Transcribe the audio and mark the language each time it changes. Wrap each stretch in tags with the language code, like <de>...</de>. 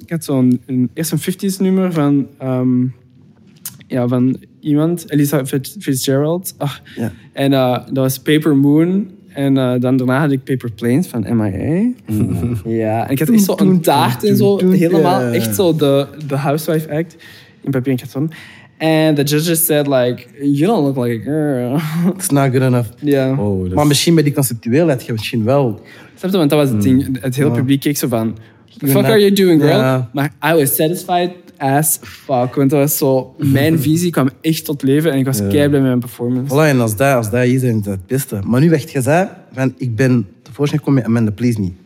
<nl>Ik had zo'n eerst een 50s nummer van, van iemand, Elisa Fitzgerald. Oh.</nl> <en>Yeah.</en> <nl>En dat was Paper Moon. En dan daarna had ik Paper Planes van M.I.A. Ja, en ik had echt zo'n taart en zo. Helemaal echt zo de housewife act in papier en karton.</nl> <en>And the judges said, like, you don't look like a girl. It's not good enough. Yeah.</en> <nl>Oh, maar misschien bij die conceptueelheid je misschien wel. Snap je, want dat was het ding. Het hele publiek keek zo van,</nl> <en>fuck are you doing, girl? Maar I was satisfied as fuck.</en> <nl>Want dat was zo, mijn visie kwam echt tot leven. En ik was kei blij met mijn performance. Voilà, en als dat hier zijn, is dat het beste. Maar nu werd gezegd, van, ik ben tevoorschijn gekomen met Amanda, please me.</nl>